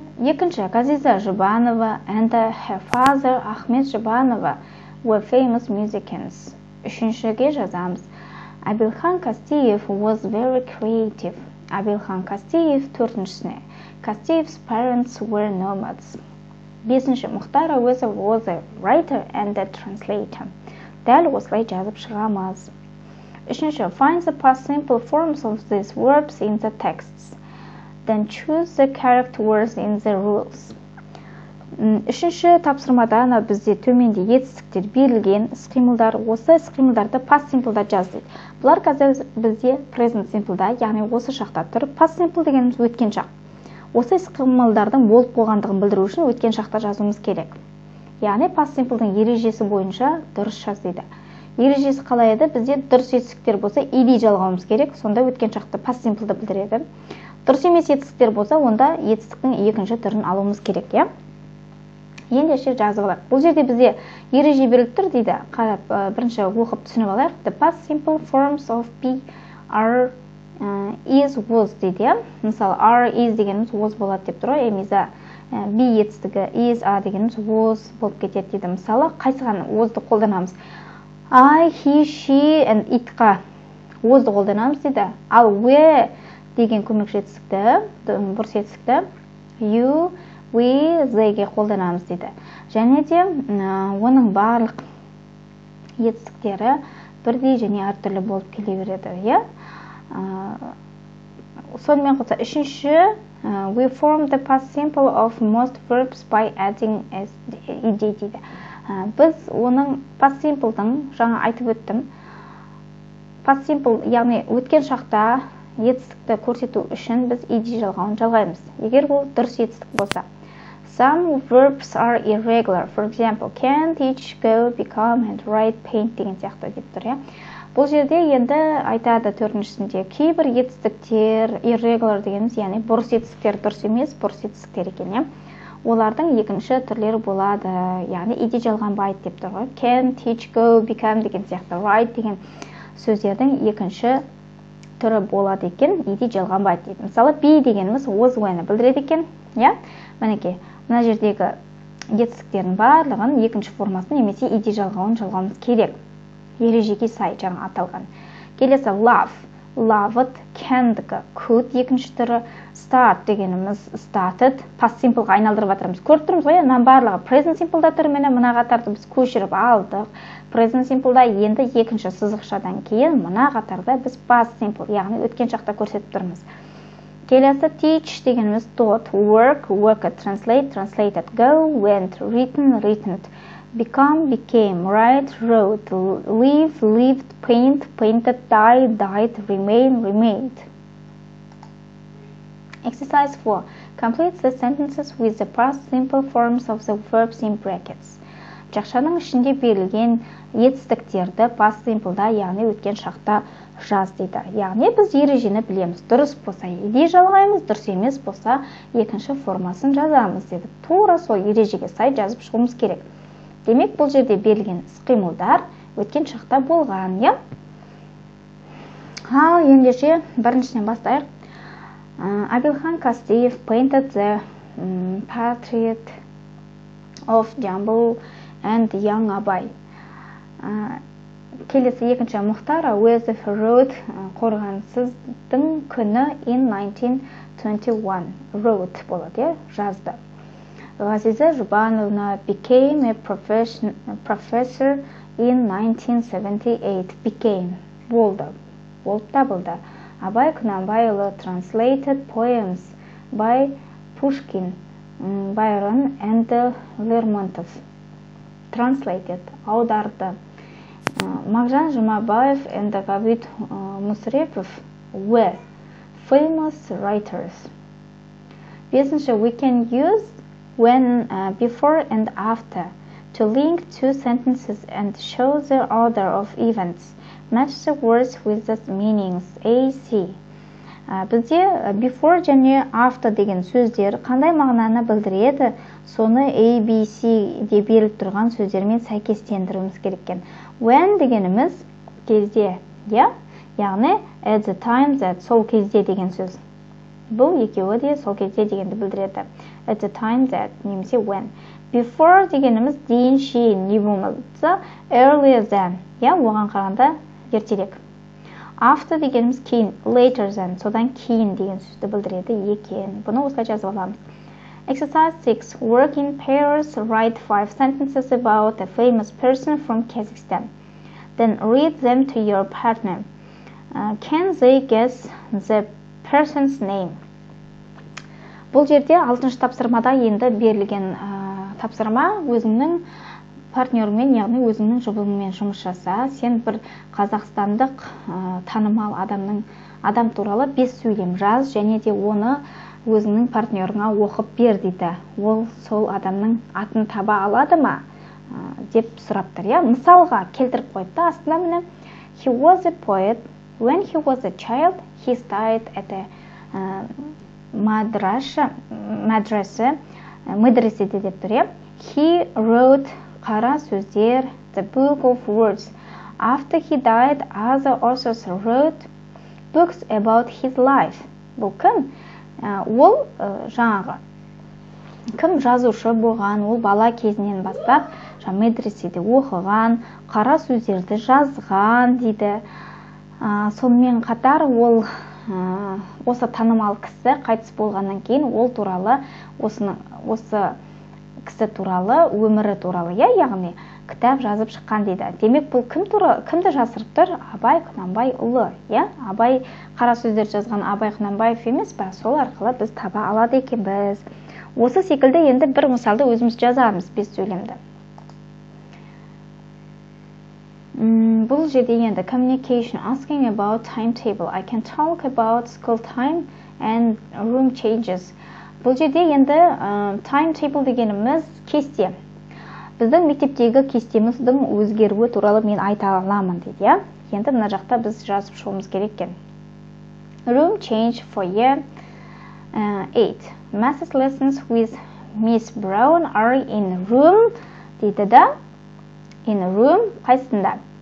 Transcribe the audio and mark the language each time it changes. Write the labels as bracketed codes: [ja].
[kk] Екінші, [en] Ғазиза Жұбанова and her father Ахмет Жұбанова were famous musicians. [kk] Үшіншіге жазамыз. [en] Абилхан Кастиев was very creative. [kk] Абилхан Кастиев төртіншісіне. [en] Кастиев's parents were nomads. [kk] Бесінші, [en] Мұхтар Әуезов was a writer and a translator. [kk] Дәл осылай жазып шығамыз. Үшінші, [en] find the past simple forms of these verbs in the texts. Then choose the correct words in the rules. [kk] Үшінші тапсырмада ана бізде төменде етістіктер берілген, іс-қимылдар, осы іс-қимылдарды past simple-да жаз дейді. Бұлар қазір бізде present simple-да, яғни осы шақта тұр. Past simple дегеніміз өткен шақ. Осы іс-қимылдардың болып болғандығын білдіру үшін өткен шақта жазуымыз керек. Яғни past simple-дің ережесі бойынша дұрыс жаз дейді. Ережесі қалай еді? Бізде дұрыс етістіктер болса, или жалғауымыз керек, сонда өткен шақты past simple-ды білдіреді. Дұрыс емес етістіктер болса, онда етістіктің екінші түрін алуымыз керек, иә? Енді ше жазып алайық. Бұл жерде бізде ереже беріліп тұр дейді. Қарап, бірінші оқып түсініп алайық. [en] The past simple forms of be, are, is, was [kk] дейді. Мысалы, are, is дегеніміз was болады деп тұр. Емеса, be етістігі, is, are дегеніміз was болып кетеді дейді. Мысалы, қайсыған was-ды қолданамыз. [en] I, he, she, and [kk] it-қа was-ды қолданамыз дейді. Ал we деген көмек жетістікті, бұрыс жетістікті. You, we, they-ге қолданамыз дейді. Және де оның барлық етістіктері бірдей және әртүрлі болып келе береді, иә? Сонымен қоса, үшінші, [en] we form the past simple of most verbs by adding ed [kk] дейді. Біз оның past simple-дың, жаңа айтып өттім, past simple, яғни өткен шақта етістікті көрсету үшін біз ed жалғауын жалғаймыз. Егер бұл дұрыс етістік болса. [en] Some verbs are irregular. For example, can, teach, go, become, and write, paint [kk] деген сияқты деп тұр. Бұл жерде енді айтады төртіншісінде, кейбір етістіктер, irregular дегеніміз, яғни бұрыс етістіктер дұрыс емес, бұрыс етістіктер екен. Олардың екінші түрлері болады, яғни ed жалған байт деп тұр. Can, teach, go, become деген сияқты, write деген сөздердің екінші түрі болады екен, ed жалған байт дейді. Мысалы, be дегеніміз was when-ы білдіреді екен. Мінекей, мына жердегі етістіктердің барлығын екінші формасын немесе ed жалғауын жалғауымыз керек. Ережеге сай жаңа аталған. Келесі love, loved, can-дігі, could екінші түрі, start дегеніміз started, past simple-ға айналдырып атырмыз. Көріп тұрмыз ғой, мына барлығы present simple-да тұр, мен мына қатарды біз көшіріп алдық. Present simple-да енді екінші сызықшадан кейін мына қатарда біз past simple, яғни өткен шақта көрсетіп тұрмыз. Келесі [en] teach [kk] дегеніміз [en] taught, work, worked, translate, translated, go, went, written, written. Become, became, write, wrote, live, lived, paint, painted, die, died, remain, remained. Exercise 4. Complete the sentences with the past simple forms of the verbs in brackets. [kk] Жақшаның ішінде берілген етістіктерді past simple-да, яғни өткен шақта жаз дейді. Яғни біз ережені білеміз. Дұрыс болса ed жалғаймыз, дұрыс емес болса екінші формасын жазамыз деді. Тура сол ережеге сай жазып шығуымыз керек. Демек, бұл жерде берілген іс-қимылдар өткен шақта болған, иә? Ал ендеше біріншіден бастайық. [en] Абилхан Кастеев painted the portrait of Jumble and Young Абай. [kk] Келесі екінші Мұхтар Әуезов wrote қорғансыздың күні in 1921. Wrote болады, иә? Жазды. [en] Ғазиза Жұбановна became a professor in 1978. [kk] Became. Болды. Болып табылды. [en] Абай Құнанбайұлы translated poems by Пушкин, Байрон and Лермонтов. [kk] Translated. Аударды. [en] Мағжан Жұмабаев and Ғабит Мұсрепов were famous writers. Бесінші, we can use when, before and after, to link two sentences and show the order of events. Match the words with the meanings. A, C. [kk] Бізде before және after деген сөздер қандай мағынаны білдіреді, соны A, B, C де беріліп тұрған сөздермен сәйкестендіруіміз керекен. When дегеніміз кезде, яғни [en] at the time that, [kk] сол кезде деген сөз. Бұл екеуі де сол кезде дегенді білдіреді. [en] At the time that, [kk] немесе [en] when. [kk] Before дегеніміз дейін шейін, не болмалдыса, [en] earlier than, [kk] оған қарағанда ертерек. After дегеніміз кейін, [en] later than, [kk] содан кейін деген сөзді білдіреді екен. Бұны осылай жазып аламыз. [en] Exercise 6. Work in pairs, write 5 sentences about a famous person from Kazakhstan. Then read them to your partner. Can they guess the person's name? [kk] Бұл жерде 6-шы тапсырмада енді берілген тапсырма өзіңнің партнерімен, яғни өзіңнің жұбыңмен жұмыс жаса, сен бір қазақстандық танымал адам туралы 5 сөйлем жаз, және де оны өзіңнің партнеріңа оқып бер дейді. Ол сол адамның атын таба алады ма? Деп сұрап тұр. Мысалға келтіріп қойды астына міне. [en] He was a poet. When he was a child, he studied at a мадресе [kk] деп тұр. [en] He wrote қара сөздер, the book of words. After he died, other authors wrote books about his life. [kk] Бұл кім? Ол жаңағы кім жазушы болған, ол бала кезінен бастап медреседе оқыған, қара сөздерді жазған дейді. Сонымен қатар ол осы танымал кісі қайтыс болғаннан кейін ол туралы, осы кісі туралы, өмірі туралы, яғни кітап жазып шыққан дейді. Демек, бұл кім тура, кімді жасырып тұр? Абай Құнанбай ұлы, иә? Абай қара сөздер жазған Абай Құнанбаев емес пе? Сол арқылы біз таба алады екенбіз. Осы секілді енді бір мысалды өзіміз жазамыз, бес сөйлемді. Бұл жерде енді [en] communication, asking about timetable. I can talk about school time and room changes. [kk] Бұл жерде енді timetable дегеніміз кесте. Біздің мектептегі кестеміздің өзгеруі туралы мен айта аламын дейді, иә? Енді мына жақта біз жазып шығуымыз керек екен. [en] Room change for year 8. Math's lessons with Miss Brown are in room [kk] дейді да. [en] In room [kk] қайсында?